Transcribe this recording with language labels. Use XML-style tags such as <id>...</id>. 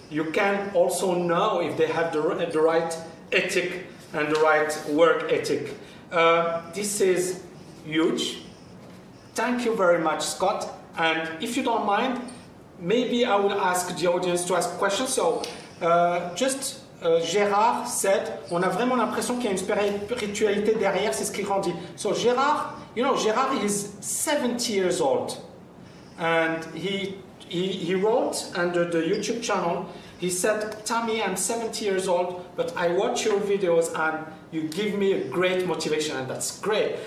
<en>You can also know if they have the right ethic and the right work ethic. This is huge. Thank you very much, Scott. And if you don't mind, maybe I will ask the audience to ask questions. So Gérard said,</en> <fr>on a vraiment l'impression qu'il y a une spiritualité derrière, c'est ce qu'il grandit.</fr> <en>So Gérard, you know, Gérard is 70 years old. And he wrote under the YouTube channel, he said, Thami, I'm 70 years old, but I watch your videos and you give me a great motivation, and that's great.</en>